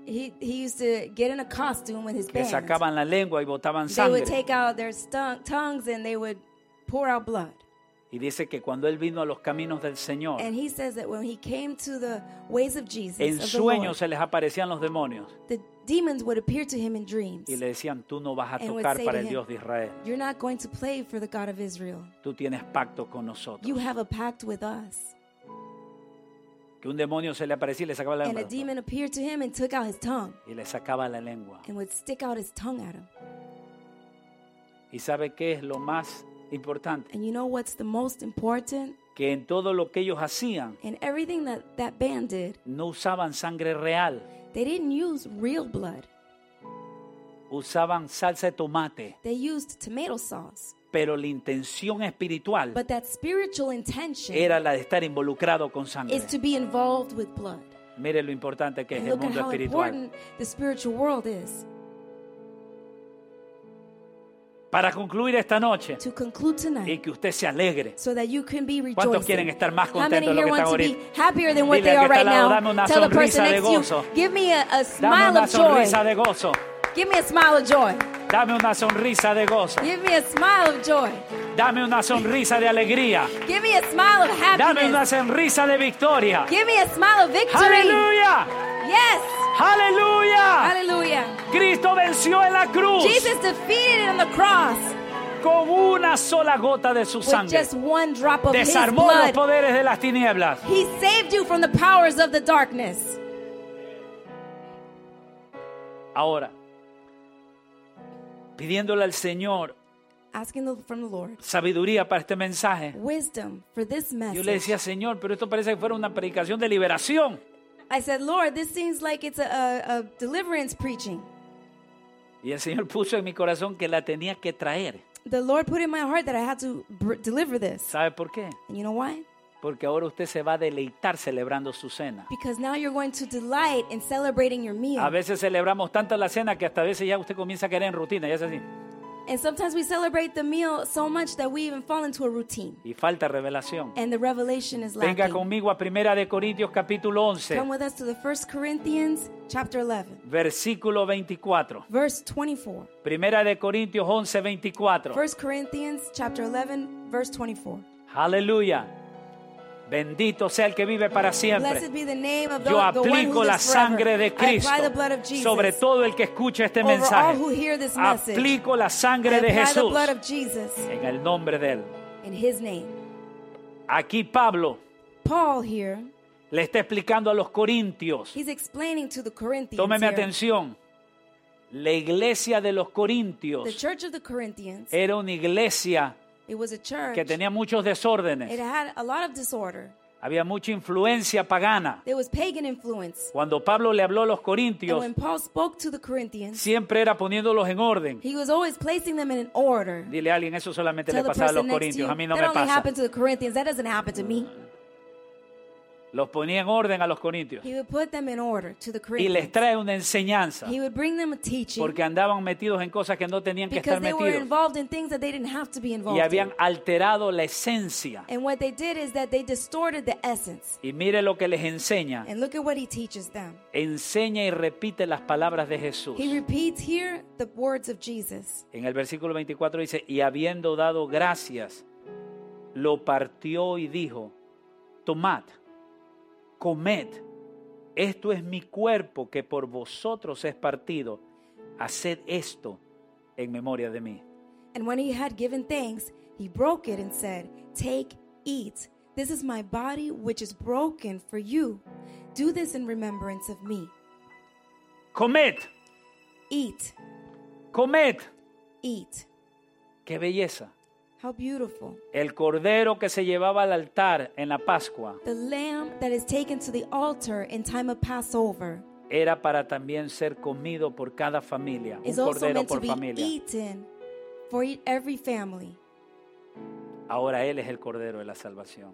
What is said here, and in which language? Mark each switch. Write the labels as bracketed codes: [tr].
[en] He used to get in a costume with his [es] que [en] band. [es] Que sacaban la lengua y botaban [en] they [es] sangre. [en] They would take out their tongues and they would pour out blood. [es] Y dice que cuando él vino a los caminos del Señor, [en] and he says that when he came to the ways of Jesus, [es] en sueños [en] of the Lord, [es] se les aparecían los demonios. [en] The demons would appear to him in dreams. [es] Y le decían, tú no vas a tocar para [en] to [es] el Dios de Israel. [en] You're not going to play for the God of Israel. [es] Tú tienes pacto con nosotros. [en] You have a pact with us. [es] Que un demonio se le aparecía y le sacaba la lengua. [en] And a demon appeared to him and took out his tongue. [es] Y le sacaba la lengua. [en] And would stick out his tongue at him. [es] ¿Y sabe qué es lo más importante? [en] And you know what's the most important? [es] Que en todo lo que ellos hacían, [en] in everything that that band did, [es] no usaban sangre real. [en] They didn't use real blood. [es] Usaban salsa de tomate. [en] They used tomato sauce. [es] Pero la intención espiritual, [en] but that spiritual intention, [es] era la de estar involucrado con sangre. [en] Is to be involved with blood. [es] Mire lo importante que [en] and [es] es el mundo espiritual. [en] Look at how important the spiritual world is. [es] Para concluir esta noche [en] to conclude tonight, [es] y que usted se alegre. [en] So that you can be rejoicing. [es] ¿Cuántos quieren estar más contentos de lo que están ahorita? [en] How many here want to be happier than what they are right now? Tell the person next to you, give me a smile of joy. [es] Dame una sonrisa de gozo. [en] Give me a smile of joy. [es] Dame una sonrisa de gozo. [en] Give me a smile of joy. [es] Dame una sonrisa de alegría. [en] Give me a smile of happiness. [es] Dame una sonrisa de victoria. [en] Give me a smile of victory. Hallelujah. Yes. [es] Aleluya. Aleluya. Cristo venció en la cruz. [en] Jesus defeated on the cross. [es] Con una sola gota de su sangre. [en] With just one drop of [es] desarmó [en] his blood. [es] Los poderes de las tinieblas. [en] He saved you from the powers of the darkness. [es] Ahora, pidiéndole al Señor [en] asking the, from the Lord, [es] sabiduría para este mensaje. [en] Wisdom for this message. [es] Yo le decía, Señor, pero esto parece que fuera una predicación de liberación. [en] I said, Lord, this seems like it's a deliverance preaching. [es] Y el Señor puso en mi corazón que la tenía que traer. [en] The Lord put in my heart that I had to deliver this. [es] ¿Sabe por qué? [en] And you know why? [es] Porque ahora usted se va a deleitar celebrando su cena. [en] Because now you're going to delight in celebrating your meal. [es] A veces celebramos tanto la cena que hasta a veces ya usted comienza a caer en rutina, ya es así. [en] And sometimes we celebrate the meal so much that we even fall into a routine. [es] Y falta revelación. [en] And the revelation is lacking. [es] Venga conmigo a 1 de Corintios capítulo 11. [en] Come with us to the 1 Corinthians chapter 11. [es] Versículo 24. [en] Verse 24. [es] 1 de Corintios 11, 24. [en] 1 Corinthians chapter 11, verse 24. Hallelujah. [es] Bendito sea el que vive para siempre. [en] Blessed be the name of the, [es] yo aplico [en] the [es] la sangre de Cristo [en] I apply the blood of Jesus [es] sobre todo el que escucha este mensaje. [en] All who hear this message, [es] aplico la sangre [en] I apply [es] de Jesús [en] the blood of Jesus [es] en el nombre de Él. [en] In his name. [es] Aquí Pablo [en] Paul here, [es] le está explicando a los corintios. [en] He's explaining to the Corinthians. [es] Tómeme atención. La iglesia de los corintios, [en] the church of the Corinthians, [es] era una iglesia [en] it was a church [es] que tenía muchos desórdenes. [en] It had a lot of disorder. [es] Había mucha influencia pagana. [en] There was pagan influence. [es] Cuando Pablo le habló a los corintios, [en] when Paul spoke to the Corinthians, [es] siempre era poniéndolos en orden. [en] He was always placing them in an order. [es] Dile a alguien, eso solamente le pasaba a los corintios, [en] you, [es] a mí no me pasa. [en] That only happened to the Corinthians. That doesn't happen to me. [es] Los ponía en orden a los corintios. [en] He would put them in order to the Corinthians. [es] Y les trae una enseñanza. [en] He would bring them a teaching. [es] Porque andaban metidos en cosas que no tenían que estar metidos. [en] They were involved in things that they didn't have to be involved in. [es] Y habían alterado la esencia. [en] And what they did is that they distorted the essence. [es] Y mire lo que les enseña. [en] And look at what he teaches them. [es] Enseña y repite las palabras de Jesús. [en] He repeats here the words of Jesus. [es] En el versículo 24 dice, y habiendo dado gracias, lo partió y dijo, tomad. Comed, esto es mi cuerpo que por vosotros es partido. Haced esto en memoria de mí. [en] And when he had given thanks, he broke it and said, take, eat. This is my body which is broken for you. Do this in remembrance of me. [es] Comed. [en] Eat. [es] Comed. [en] Eat. [es] Qué belleza. [en] How beautiful. [es] El cordero que se llevaba al altar en la Pascua. [en] The lamb that is taken to the altar in time of Passover. [es] Era para también ser comido por cada familia. [en] Is [es] un cordero por familia. [en] Eaten for every family. [es] Ahora él es el cordero de la salvación.